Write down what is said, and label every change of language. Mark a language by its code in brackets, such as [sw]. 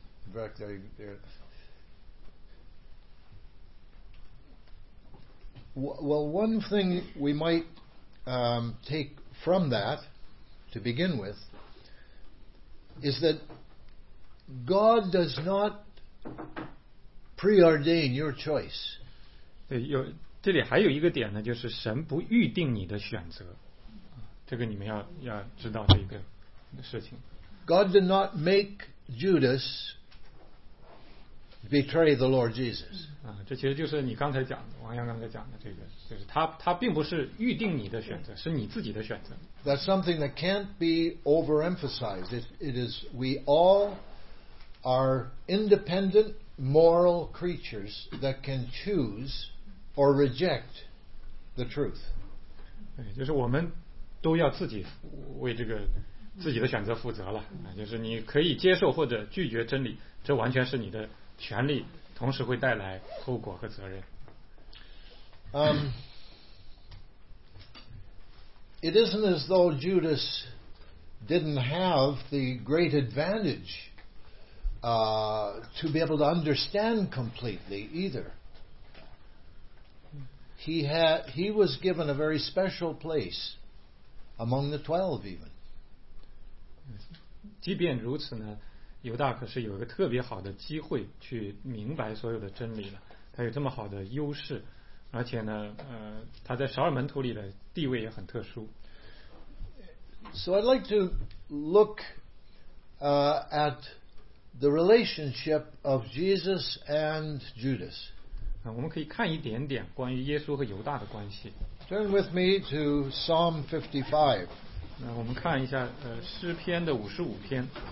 [en] In fact, one thing we might take from that to begin with is that God does not preordain your choice. [zh] 对，有这里还有一个点呢，就是神不预定你的选择。这个你们要知道的一个事情。 [en] God did not make Judas betray the Lord Jesus. [zh] 啊，这其实就是你刚才讲的，王阳刚才讲的这个，就是他并不是预定你的选择，是你自己的选择。 [en] That's something that can't be overemphasized. It is we all are independent moral creatures that can choose or reject the truth. [zh] 对，就是我们都要自己为这个自己的选择负责了，就是你可以接受或者拒绝真理，这完全是你的权利，同时会带来后果和责任。 [en] It isn't as though Judas didn't have the great advantage to be able to understand completely either. He was given a very special place among the twelve even. [zh] 即便如此呢，犹大可是有一个特别好的机会去明白所有的真理了，他有这么好的优势，而且呢，他在十二门徒里的地位也很特殊。 [en] So I'd like to look at the relationship of Jesus and Judas. [zh] 我们可以看一点点关于耶稣和犹大的关系。 [en] Turn with me to Psalm 55. [zh] 那我们看一下诗篇的五十五篇。